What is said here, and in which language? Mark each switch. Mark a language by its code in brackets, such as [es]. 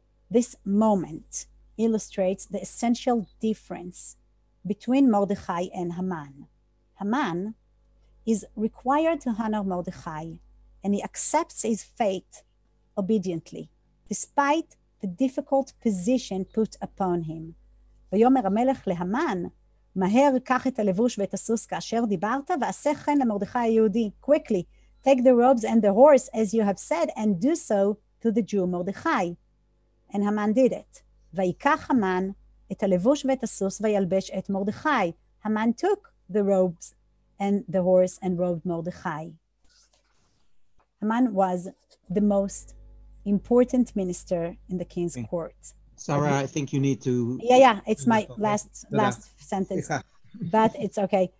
[en] This moment illustrates the essential difference between Mordechai and Haman. Haman is required to honor Mordechai, and he accepts his fate obediently, despite the difficult position put upon him. [he] ויאמר המלך להמן, מהר קח את הלבוש ואת הסוס כאשר דיברת, ועשה כן למרדכי היהודי. [en] Quickly, take the robes and the horse, as you have said, and do so to the Jew Mordechai. And Haman did it. [he] ויקח המן את הלבוש ואת הסוס וילבש את מרדכי. [en] Haman took the robes and the horse and robed Mordechai. Haman was the most important minister in the king's court. Sarah, I think you need to... Yeah, it's my last sentence. Yeah. But it's okay.